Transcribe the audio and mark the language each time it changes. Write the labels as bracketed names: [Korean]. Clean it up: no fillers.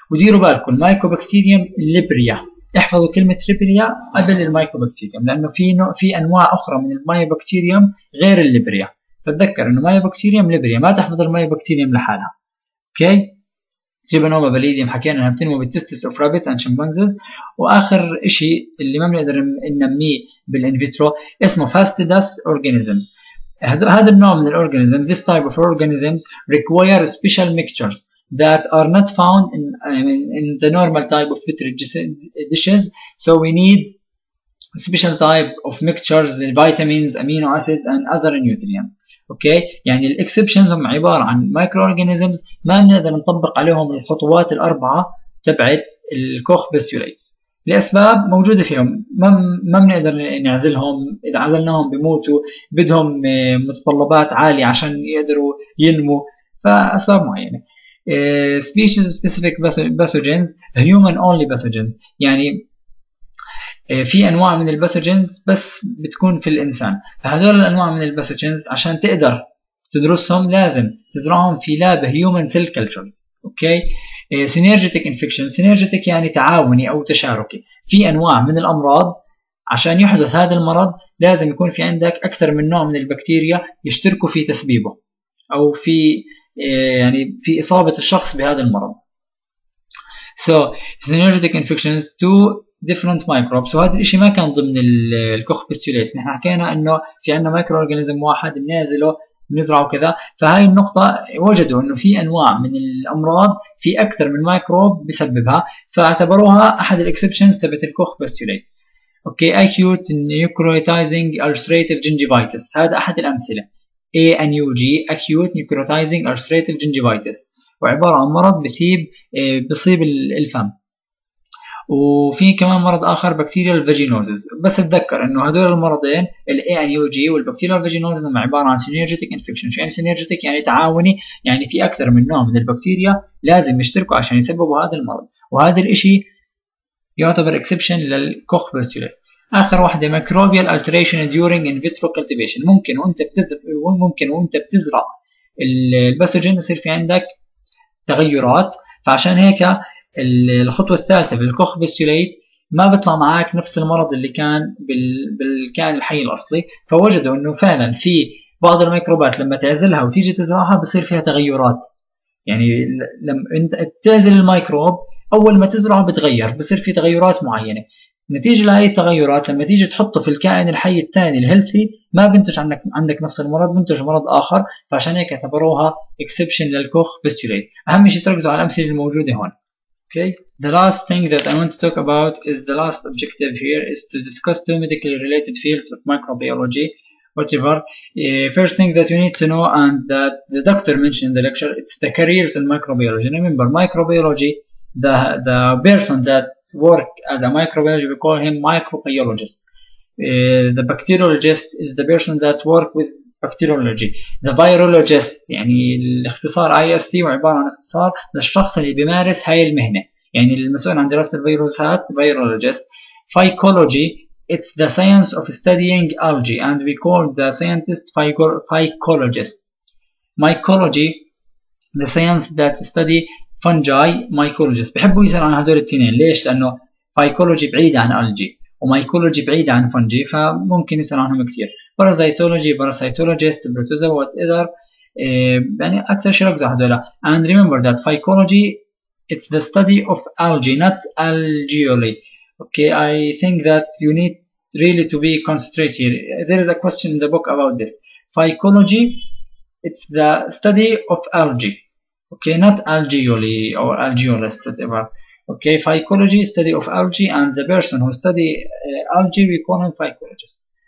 [Arabic] وديروا بالكم مايكوبكتيريوم ليبريا، احفظوا كلمة ليبريا قبل المايكوبكتيريوم، لأنه في أنواع أخرى من المايكوبكتيريوم غير الليبريا، فتذكر إنه مايكوبكتيريوم ليبريا ما تحفظ المايكوبكتيريوم لحالها. أوكي؟ تريبانوما بليديوم حكينا إنها بتنمو بالتستس أوف رابيتس أند شمبانزيز. وآخر إشي اللي ما بنقدر ننميه بالإنفيترو اسمه فاستيداس أورجانيزمز. هذا النوع من الأورجانيزم، [English] this type of organisms require special mixtures that are not found in the normal type of petri dishes, so we need a special type of mixtures, vitamins, amino acids and other nutrients. [Arabic] Okay, يعني الـ exceptions هم عبارة عن microorganisms ما بنقدر نطبق عليهم الخطوات الأربعة تبعت الكوخ بسيوليتس لأسباب موجودة فيهم، ما بنقدر نعزلهم، إذا عزلناهم بيموتوا، بدهم متطلبات عالية عشان يقدروا ينمو، فأسباب معينة. [English] Species specific pathogens, human only pathogens، [Arabic] يعني في انواع من الباثوجينز بس بتكون في الانسان. فهذول الانواع من الباثوجينز عشان تقدر تدرسهم لازم تزرعهم في لاب هيومن سيل كلتشرز. اوكي، سينرجيتك انفكشن، سينرجيتك يعني تعاوني او تشاركي، في انواع من الامراض عشان يحدث هذا المرض لازم يكون في عندك اكثر من نوع من البكتيريا يشتركوا في تسبيبه او في يعني في إصابة الشخص بهذا المرض. [English] So synergistic infections to different microbes. [Arabic] وهذا الإشي ما كان ضمن الكوخ بستيوليس، نحن حكينا إنه في عنا مايكروأورجانيزم واحد بنازله بنزرعه كذا. فهاي النقطة وجدوا إنه في أنواع من الأمراض في أكثر من مايكروب بسببها، فاعتبروها أحد الإكسبشنز تبعت الكوخ بستيوليس. أوكي، acute necrotizing ulcerative gingivitis، هذا أحد الأمثلة، ANUG acute necrotizing ulcerative gingivitis، وعبارة عن مرض بصيب الفم. وفي كمان مرض آخر bacterial vaginosis، بس اتذكر انه هدول المرضين الـ ANUG والbacterial vaginosis هم عبارة عن synergetic infection. يعني synergetic يعني تعاوني، يعني في أكثر من نوع من البكتيريا لازم يشتركوا عشان يسببوا هذا المرض، وهذا الاشي يعتبر exception للكوخ بستيوليت. اخر واحده [English] microbial alteration during in vitro cultivation، [Arabic] ممكن وانت بتزرع الباثوجين يصير في عندك تغيرات. فعشان هيك الخطوه الثالثه بالكوخ بستيوليت ما بيطلع معك نفس المرض اللي كان بالكائن الحي الاصلي. فوجدوا انه فعلا في بعض الميكروبات لما تعزلها وتيجي تزرعها بصير فيها تغيرات، يعني لما انت تعزل الميكروب اول ما تزرعه بتغير، بصير في تغيرات معينه. نتيجة لهذه التغيرات لما تيجي تحطه في الكائن الحي الثاني الهيلثي ما بنتج عندك نفس المرض، بنتج مرض آخر. فعشان هيك اعتبروها exception للكوخ بستيوليت. أهم شيء تركزوا على الأمثلة الموجودة هون. [English] Okay. The last thing that I want to talk about is the last objective here is to discuss two medically related fields of microbiology. Whatever. First thing that you need to know and that the doctor mentioned in the lecture, it's the careers in microbiology. Remember, microbiology, the person that work as a microbiologist, we call him microbiologist. The bacteriologist is the person that work with bacteriology. The virologist, [Arabic] يعني الاختصار IST وعبارة عن اختصار للشخص اللي بيمارس هاي المهنة، يعني المسؤول عن دراسة الفيروسات virologist. [English] Phycology, it's the science of studying algae and we call the scientist phycologist. Mycology, the science that study fungi mycologist. [Arabic] بحبوا يسألوا عن هذول الاثنين، ليش؟ لأنه فايكولوجي بعيد عن ألجي ومايكولوجي بعيد عن فنجي، فممكن يسألوا عنهم كثير. بارازيتولوجي، باراسيتولوجيست، بروتوزوا، وات إذر، يعني أكثر شيء ركزوا هذول. [English] And remember that phycology it's the study of algae not algae only. Okay, I think that you need to really to be concentrated here. There is a question in the book about this. Phycology, it's the study of algae. Okay, not algaeoli or algaeolist, whatever. Okay, phycology, study of algae, and the person who study algae, we call him phycologist.